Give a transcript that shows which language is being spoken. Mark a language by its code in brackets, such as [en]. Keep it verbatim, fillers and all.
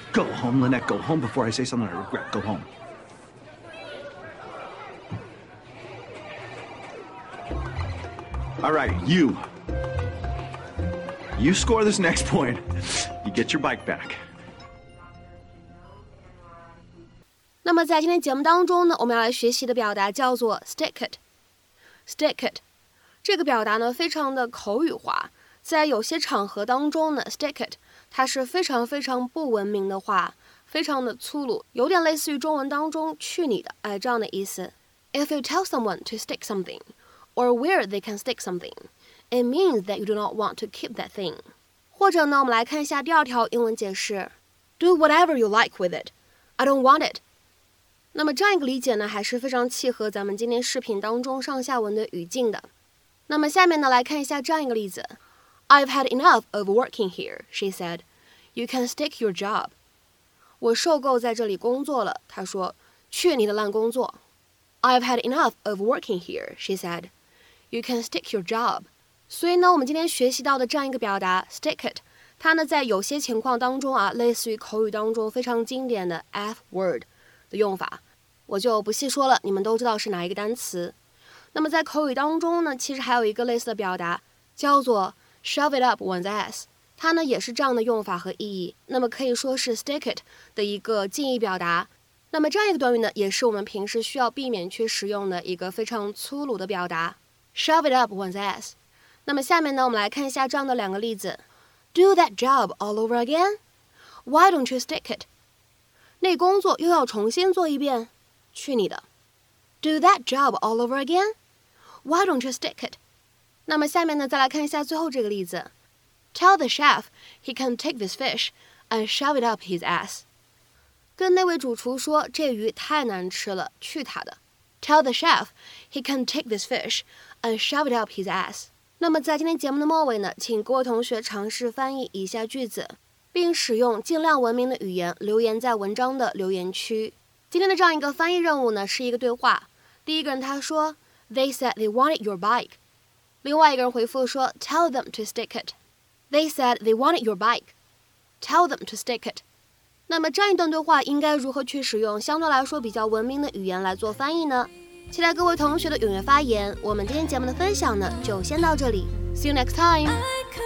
[en] Go home, Lynette, go home before I say something I regret. Go home. All right, you. You score this next point, you get your bike back. [zh] 那么在今天节目当中呢，我们要来学习的表达叫做 stick it stick it。这个表达呢非常的口语化，在有些场合当中呢 stick it 它是非常非常不文明的话，非常的粗鲁，有点类似于中文当中去你的，哎，这样的意思。 [en] If you tell someone to stick something or where they can stick something, it means that you do not want to keep that thing。 [zh] 或者呢，我们来看一下第二条英文解释， Do whatever you like with it, I don't want it。那么这样一个理解呢，还是非常契合咱们今天视频当中上下文的语境的。那么下面呢，来看一下这样一个例子。 [en] I've had enough of working here, she said. You can stick your job. [zh] 我受够在这里工作了，她说，去你的烂工作。 [en] I've had enough of working here, she said. You can stick your job. [zh] 所以呢，我们今天学习到的这样一个表达 stick it，它呢在有些情况当中啊，类似于口语当中非常经典的 F word 的用法，我就不细说了，你们都知道是哪一个单词。那么在口语当中呢，其实还有一个类似的表达叫做 shove it up one's ass，它呢也是这样的用法和意义，那么可以说是 stick it 的一个近义表达。那么这样一个短语呢，也是我们平时需要避免去使用的一个非常粗鲁的表达 shove it up one's ass。那么下面呢，我们来看一下这样的两个例子。 [en] Do that job all over again? Why don't you stick it? [zh] 那工作又要重新做一遍？ [en] 去你的！Do that job all over again? Why don't you stick it? 那么下面呢，再来看一下最后这个例子。 Tell the chef he can take this fish and shove it up his ass. [zh] 跟那位主厨说这鱼太难吃了，去他的。 [en] Tell the chef he can take this fish and shove it up his ass. [zh] 那么在今天节目的末尾呢，请各位同学尝试翻译以下句子，并使用尽量文明的语言留言在文章的留言区。今天的这样一个翻译任务呢，是一个对话。第一个人他说 They said they wanted your bike. 另外一个人回复说 Tell them to stick it. They said they wanted your bike. Tell them to stick it. 那么这样一段对话应该如何去使用相对来说比较文明的语言来做翻译呢？期待各位同学的踊跃发言。我们今天节目的分享呢，就先到这里。 See you next time.